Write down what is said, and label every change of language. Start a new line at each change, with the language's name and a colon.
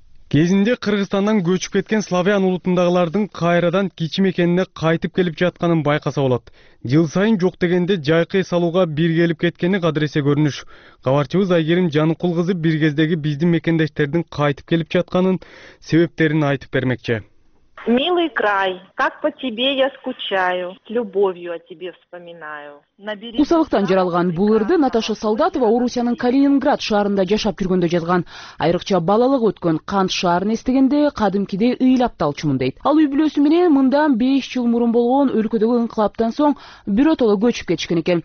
Kyrgyz: Кезинде Кыргызстандан көчүп кеткен славян улутундагылардын кайрадан кичи мекенине кайтып келип жатканын байкаса болот. Жыл сайын жок дегенде жайкы эс алууга бир келип кеткени кадыресе көрүнүш. Кабарчыбыз Айгерим Жаныкул кызы бир кездеги биздин мекендештердин кайтып келип жатканын себептерин айтып бермекчи.
Russian: Милый край, как по тебе я скучаю, с любовью о тебе вспоминаю.
Kyrgyz: Усалыктан жаралган бул ырды Наташа Солдатова Орусиянын Калининград шаарында жашап жүргөндө жазган. Айрыкча балалык өткөн Кант шаарын эстегенде кадимкидей ыйлап талчумун дейт. Ал үй бүлөсү менен мындан 5 жыл мурун болгон өлкөдөгү инкылаптан соң биротоло көчүп кетишкен экен.